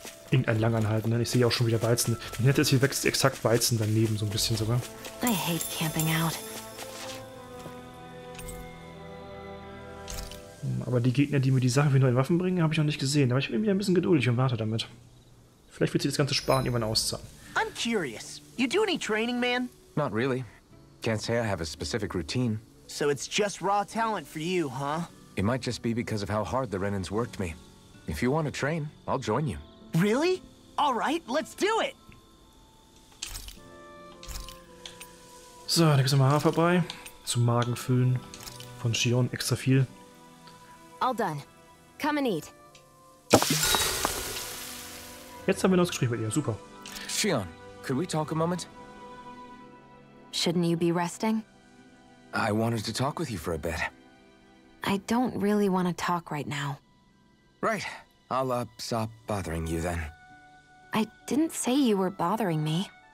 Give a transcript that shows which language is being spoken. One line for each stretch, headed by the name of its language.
German: Irgendein Langanhalten, ne? Ich sehe auch schon wieder Weizen. Ich hätte jetzt hier wächst exakt Weizen daneben, so ein bisschen sogar.
English: I hate camping out.
German: Aber die Gegner, die mir die Sachen wie neue Waffen bringen, habe ich noch nicht gesehen. Aber ich bin mir ein bisschen geduldig und warte damit. Vielleicht wird sich das ganze Sparen irgendwann auszahlen.
English: I'm curious. You do any training, man? Not really. Can't say I have a specific routine. So it's just raw talent for you, huh? It might just be because of how hard the Renans worked me. If you want to train, I'll join you. Really? All right, let's do it.
German: So, da gibt's mal Haar vorbei. Zum Magenfüllen von Shion extra viel.
English: All done. Come and eat.
German: Jetzt haben wir noch ein Gespräch mit ihr. Super.
English: Shion, could we talk a moment? Shouldn't you be resting? I wanted to talk with you for a bit. I don't really want to talk right now. Right. I'll stop bothering you then. I didn't say you were bothering me.